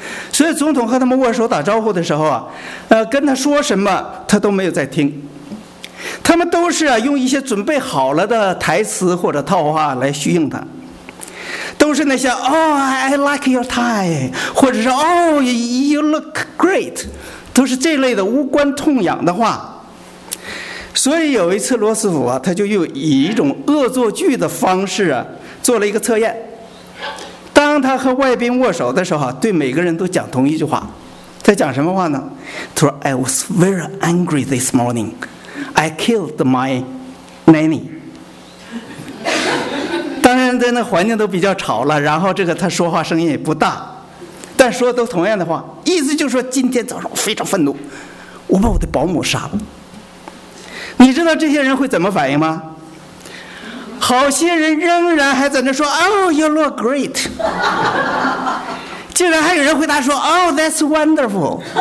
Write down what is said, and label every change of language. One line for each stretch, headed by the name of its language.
Chinese: 所以总统和他们握手打招呼的时候啊，跟他说什么他都没有在听，他们都是啊用一些准备好了的台词或者套话来虚应他，都是那些
English: I like your tie，
Chinese: 或者是
English: you look great，
Chinese: 都是这类的无关痛痒的话。所以有一次罗斯福啊，他就又以一种恶作剧的方式啊做了一个测验，当他和外宾握手的时候，对每个人都讲同一句话。他讲什么话呢？他说
English: I was very angry this morning， I killed my nanny。
Chinese: 当然在那环境都比较吵了，然后这个他说话声音也不大，但说都同样的话，意思就是说今天早上非常愤怒，我把我的保姆杀了。你知道这些人会怎么反应吗？好些人仍然还在那说
English: you look great，
Chinese: 竟然还有人回答说
English: that's wonderful。